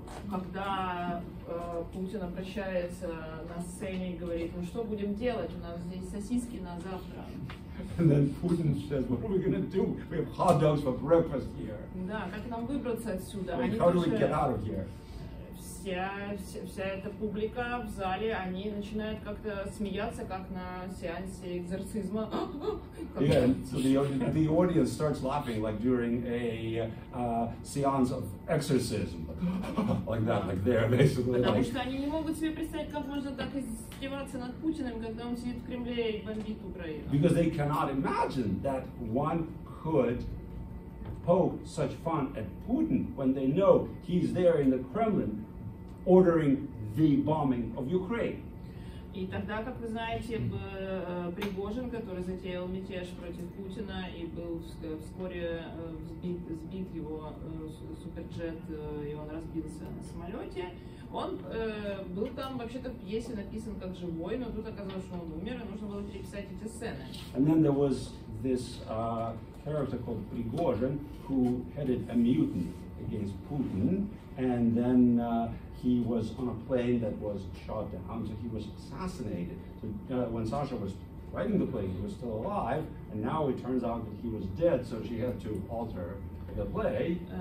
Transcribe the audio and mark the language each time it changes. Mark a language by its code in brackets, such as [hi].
[ru] Когда Путин обращается на сцене и говорит, ну что будем делать, у нас здесь сосиски на завтра. [en] And then Putin says, what are we going to do? We have hot dogs for breakfast here. [ru] Да, как нам выбраться отсюда? [en] Wait, how do we get out of here? [ru] Вся эта публика в зале, они начинают как-то смеяться, как на сеансе экзорцизма. [en] Yeah, so the audience starts laughing like during a seance of exorcism. Like that, like there, basically. [ru] Потому [en] like... [ru] что они не могут себе представить, как можно так издеваться над Путиным, когда он сидит в Кремле и бомбит Украину. [en] Because they cannot imagine that one could poke such fun at Putin when they know he's there in the Kremlin ordering the bombing of Ukraine. [ru] И тогда, как вы знаете, Пригожин, который затеял мятеж против Путина и был вскоре сбит его суперджет, и он разбился на самолете, он был там вообще-то в пьесе написан как живой, но тут оказалось, что он умер, и нужно было переписать эти сцены. [en] And then there was this character called Prigozhin, who headed a mutiny against Putin, and then he was on a plane that was shot down, so he was assassinated. So when Sasha was writing the play, he was still alive, and now it turns out that he was dead, so she had to alter the play.